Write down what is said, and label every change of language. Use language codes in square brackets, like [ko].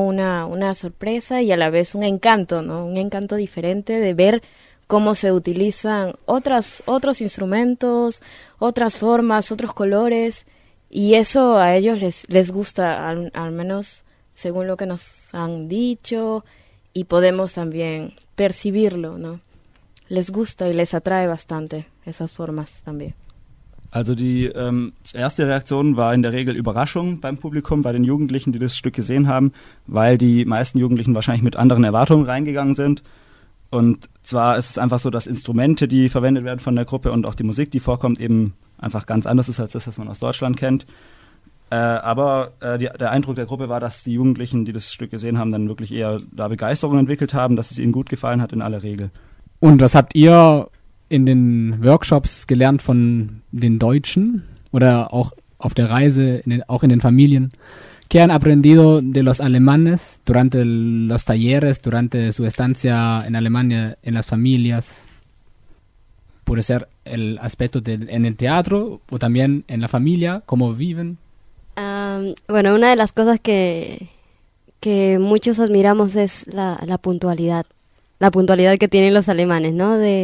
[es] Una sorpresa y a la vez un encanto, ¿no? Un encanto diferente de ver cómo se utilizan otros instrumentos, otras formas, otros colores. Y eso a ellos les gusta, al menos según lo que nos han dicho, y podemos también percibirlo, ¿no? Les gusta y les atrae bastante esas formas también. [de] Also die erste Reaktion war in der Regel Überraschung beim Publikum, bei den Jugendlichen, die das Stück gesehen haben, weil die meisten Jugendlichen wahrscheinlich mit anderen Erwartungen reingegangen sind. Und zwar ist es einfach so, dass Instrumente, die verwendet werden von der Gruppe und auch die Musik, die vorkommt, eben einfach ganz anders ist als das, was man aus Deutschland kennt. Der Eindruck der Gruppe war, dass die Jugendlichen, die das Stück gesehen haben, dann wirklich eher da Begeisterung entwickelt haben, dass es ihnen gut gefallen hat in aller Regel. Und was habt ihr in den Workshops gelernt von den Deutschen oder auch auf der Reise, auch in den Familien? [es] ¿Qué han aprendido de los alemanes durante los talleres, durante su estancia en Alemania, en las familias? Puede ser el aspecto en el teatro o también en la familia, cómo viven. Bueno, una de las cosas que muchos admiramos es la puntualidad que tienen los alemanes, ¿no?